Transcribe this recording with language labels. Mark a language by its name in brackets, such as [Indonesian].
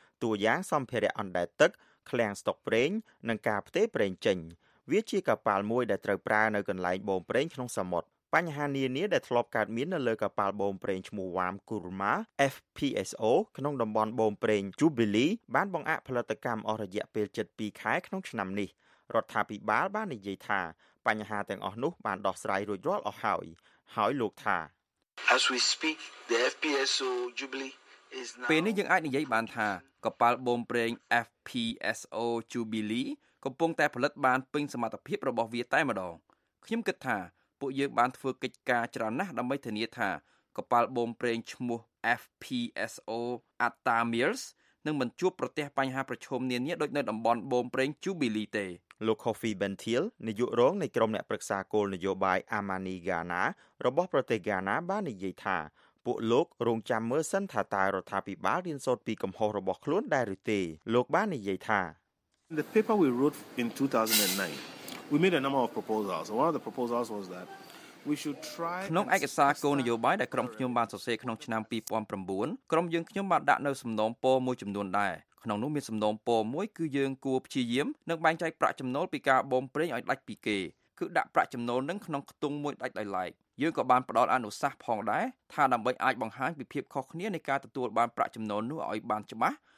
[Khmer] តួយ៉ាងសម្ភារៈអណ្ដែតទឹកឃ្លាំងស្តុកប្រេងនិងការផ្ទេរប្រេងចេញវាជាកប៉ាល់មួយដែលត្រូវប្រើនៅកន្លែងបូមប្រេងក្នុងសមុទ្របញ្ហានានាដែលធ្លាប់កើតមាននៅលើកប៉ាល់បូមប្រេងឈ្មោះ Warm Kurma FPSO ក្នុងតំបន់បូមប្រេង Jubilee បានបង្អាក់ផលិតកម្មអស់រយៈពេល72ខែក្នុងឆ្នាំនេះរដ្ឋាភិបាលបាននិយាយថាបញ្ហាទាំងអស់នោះបានដោះស្រាយរួចរាល់អស់ហើយហើយលោកថា [English] As we speak the FPSO Jubilee is now [Khmer] ពេលនេះយើងអាចនិយាយបានថាកប៉ាល់បូមប្រេង FPSO Jubilee កំពុងតែផលិតបានពេញសមត្ថភាពរបស់វាតែម្ដងខ្ញុំគិតថាពួកយើងបានធ្វើកិច្ចការច្រើនណាស់ដើម្បីធានាថាកប៉ាល់បូមប្រេងឈ្មោះ FPSO Atamirs នឹងមិនជួបប្រទះបញ្ហាប្រឈមនានាដូចនៅតំបន់បូមប្រេង Jubilee ទេ លោក Coffee Bentil នាយករងនៃក្រុមអ្នកប្រឹក្សាគោលនយោបាយ Amani Ghana របស់ប្រទេសហ្គាណាបាននិយាយថាពួកលោករងចាំមើលសិនថាតើរដ្ឋាភិបាលរៀនសូត្រពីកំហុសរបស់ខ្លួនដែរឬទេលោកបាននិយាយថា [English] The paper we wrote in 2009 we made a number of proposals one of the proposals was that we should try [Khmer] ក្នុងឯកសារគោលនយោបាយដែលក្រុមខ្ញុំបានសរសេរក្នុងឆ្នាំ2009ក្រុមយើងខ្ញុំបានដាក់នៅសំណុំពរមួយចំនួនដែរក្នុងនោះមានសំណុំពរមួយគឺយើងគួរព្យាយាមនឹងបែងចែកប្រាក់ចំណូលពីការបំប្រែងឲ្យដាច់ពីគេគឺដាក់ប្រាក់ចំណូលនឹងក្នុងខ្ទង់មួយដាច់ដោយឡែកយើងក៏បានផ្ដល់អនុសាសន៍ផងដែរថាដើម្បីអាចបង្ហាញពីភាពខុសគ្នានៃការទទួលបានប្រាក់ចំណូលនោះឲ្យបានច្បាស់